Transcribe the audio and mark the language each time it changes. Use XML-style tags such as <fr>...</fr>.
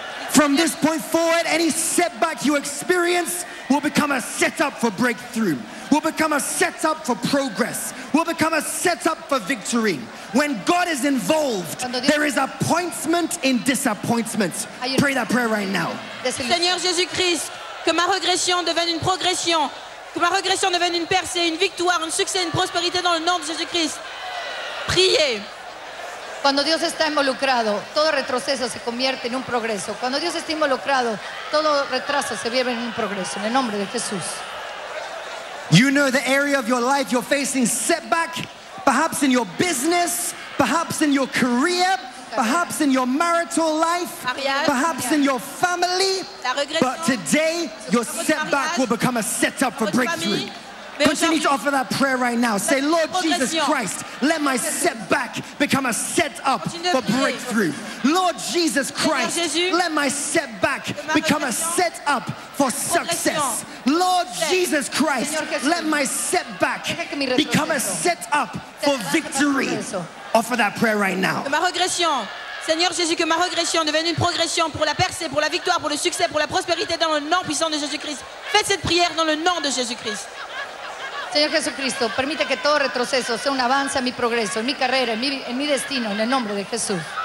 <en>From this point forward, any setback you experience will become a setup for breakthrough, will become a setup for progress, will become a setup for victory. When God is involved, there is appointment in disappointment. Pray that prayer right now.</en> <fr>Seigneur Jésus-Christ, que ma regression devienne une progression, que ma regression devienne une percée, une victoire, un succès, une prospérité dans le nom de Jésus-Christ. Priez.</fr> <es>Cuando Dios está involucrado, todo retroceso se convierte en un progreso. Cuando Dios está involucrado, todo retraso se vuelve en un progreso. En el nombre de Jesús.</es> <en>You know the area of your life you're facing setback. Perhaps in your business, perhaps in your career, perhaps in your marital life, perhaps in your family, but today your setback will become a setup for breakthrough. Continue to offer that prayer right now. Say, Lord Jesus Christ, let my setback become a setup for breakthrough. Lord Jesus Christ, let my setback become a setup for success. Lord Jesus Christ, let my setback become a setup for victory. Offer that prayer right now.</en> <fr>Que ma régression, Seigneur Jésus, que ma régression devienne une progression pour la percée, pour la victoire, pour le succès, pour la prospérité dans le nom puissant de Jésus-Christ. Faites cette prière dans le nom de Jésus-Christ.</fr> <es>Señor Jesucristo, permite que todo retroceso sea un avance a mi progreso, en mi carrera, en mi destino, en el nombre de Jesús.</es>